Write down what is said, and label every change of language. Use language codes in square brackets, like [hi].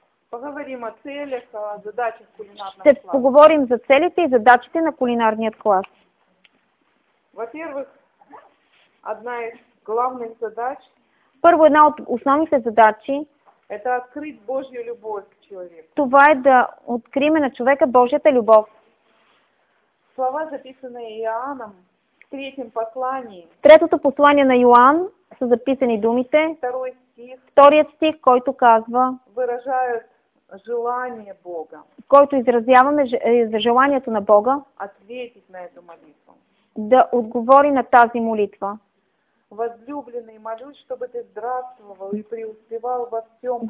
[ru] Поговорим о целях, о задачах кулинарного [bg] Ще [ru] класса. [bg] Поговорим за целите и задачите на кулинарният клас. [ru] Во-первых, одна из главных задач. [bg] Първо, една от основните задачи. [ru] Это открыть Божью любовь к человеку. [bg] Това е да откриме на човека Божията любов. [ru] Слова, записанные Иоанном в третьем послании. [bg] В третото послание на Йоан са записани думите. [ru] Второй стих. [bg] Вторият стих, който казва. [ru] Выражают желание Бога. [bg] Който изразяваме за желанието на Бога. [ru] Ответить на эту молитву. [bg] Да отговори на тази молитва. [ru] Возлюбленный, молюсь, чтобы ты здравствовал и преуспевал во всем.